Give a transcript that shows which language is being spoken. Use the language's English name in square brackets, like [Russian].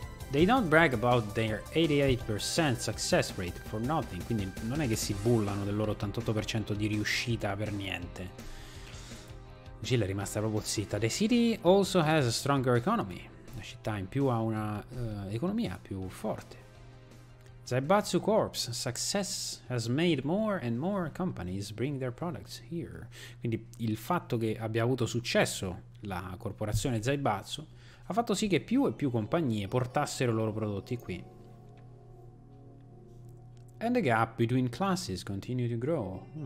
[English] They don't brag about their 88% success rate for nothing. [Italian] Quindi non è che si bullano del loro 88% di riuscita per niente. Jill è rimasta proprio zitta. [English] The city also has a stronger economy. [Italian] La città in più ha una economia più forte. [English] Zaibatsu Corp's success has made more and more companies bring their products here. [Italian] Quindi il fatto che abbia avuto successo la corporazione Zaibatsu ha fatto sì che più e più compagnie portassero i loro prodotti qui. [English] And the gap between classes continue to grow.